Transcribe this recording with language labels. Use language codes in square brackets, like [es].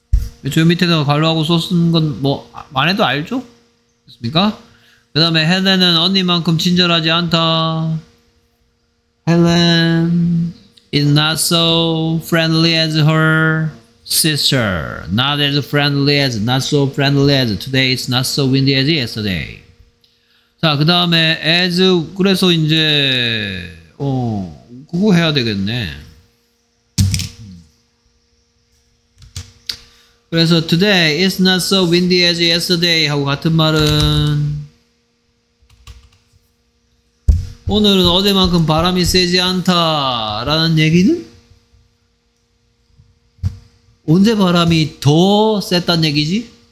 [ko] 저 밑에다가 가로하고 썼은 건 뭐 안 해도 알죠? 됐습니까? 그 다음에 헬렌은 언니만큼 친절하지 않다. [en] Helen is not so friendly as her sister. Not as friendly as, not so friendly as today. It's not so windy as yesterday. [ko] 자, 그 다음에 as, 그래서 이제 그거 해야 되겠네. 그래서 [en] today is not so windy as yesterday [ko] 하고 같은 말은 오늘은 어제만큼 바람이 세지 않다라는 얘기는 언제 바람이 더 셌단 얘기지?